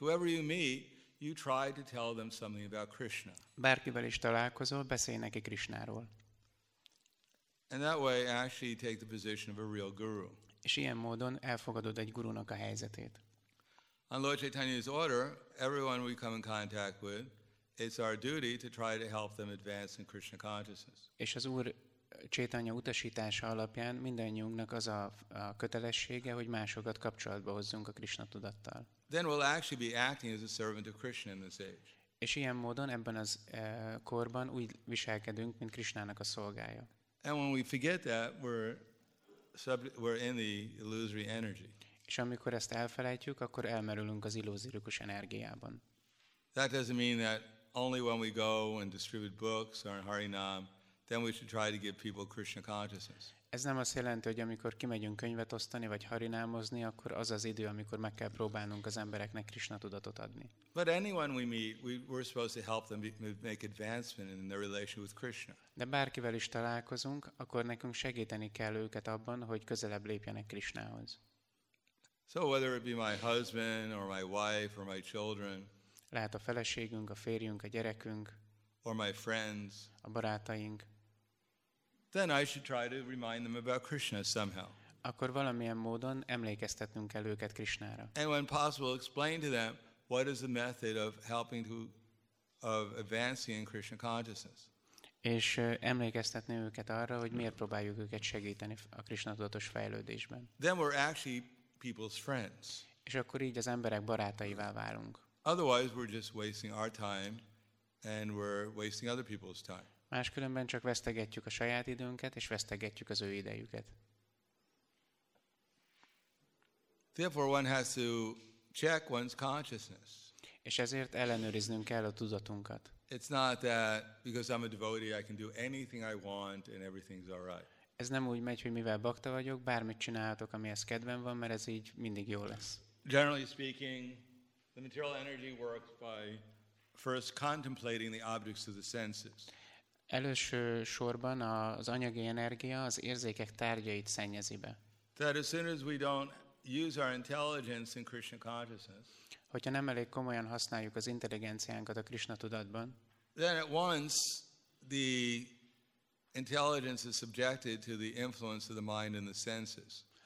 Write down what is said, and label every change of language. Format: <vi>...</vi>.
<en>Whoever you meet, you try to tell them something about Krishna.</en> <hu>Bárkivel is találkozol, beszélj neki Krishnáról.</hu> <en>And that way actually take the position of a real guru.</en> <hu>És ilyen módon elfogadod egy gurunak a helyzetét.</hu> <en>On Lord Chaitanya's order, everyone we come in contact with, it's our duty to try to help them advance in Krishna consciousness.</en> <hu>És az Úr Chaitanya utasítása alapján mindannyiunknak az a kötelessége, hogy másokat kapcsolatba hozzunk a Krishna tudattal.</hu> <en>Then we'll actually be acting as a servant of Krishna in this age.</en> <hu>És ilyen módon ebben az korban úgy viselkedünk, mint Krishnának a szolgája.</hu> <en>And when we forget that, we're in the illusory energy.</en> <hu>És amikor ezt elfelejtjük, akkor elmerülünk az illúziós energiában.</hu> <en>That doesn't mean that only when we go and distribute books or in Harinam, then we should try to give people Krishna consciousness.</en> <hu>Ez nem azt jelenti, hogy amikor kimegyünk könyvet osztani vagy harinámozni, akkor az az idő, amikor meg kell próbálnunk az embereknek Krishna tudatot adni.</hu> <en>But anyone we meet, we're supposed to help them make advancement in their relation with Krishna.</en> <hu>De bárkivel is találkozunk, akkor nekünk segíteni kell őket abban, hogy közelebb lépjenek Krishnához.</hu> <en>So whether it be my husband or my wife or my children,</en> <hu>lehet a feleségünk, a férjünk, a gyerekünk,</hu> <en>or my friends,</en> <hu>a barátaink,</hu> <en>then I should try to remind them about Krishna somehow.</en> <hu>Akkor valamilyen módon emlékeztetnünk kell őket Krishnára.</hu> <en>And when possible, explain to them what is the method of helping to of advancing in Krishna consciousness.</en> <hu>És emlékeztetni őket arra, hogy miért próbáljuk őket segíteni a Krishna tudatos fejlődésben.</hu> <en>Then we're actually people's friends.</en> <hu>És akkor így az emberek barátaivá válunk.</hu> <en>Otherwise, we're just wasting our time, and we're wasting other people's time.</en> <hu>Máskülönben csak vesztegetjük a saját időnket, és vesztegetjük az ő idejüket.</hu> <en>Therefore, one has to check one's consciousness.</en> <hu>És ezért ellenőriznünk kell a tudatunkat.</hu> <en>It's not that because I'm a devotee, I can do anything I want, and everything's all right.</en> <hu>Ez nem úgy megy, hogy mivel bakta vagyok, bármit csinálhatok, amihez kedvem van, mert ez így mindig jó lesz.</hu> <en>Generally speaking, the material energy works by first contemplating the objects of the senses.</en> <hu>Első sorban az anyagi energia az érzékek tárgyait szennyezi be.</hu> <en>That as soon as we don't use our intelligence in Krishna consciousness,</en> <hu>hogyha nem elég komolyan használjuk az intelligenciánkat a Krishna tudatban,</hu> <en>then at once the intelligence is subjected to the influence of the mind and the senses.</en>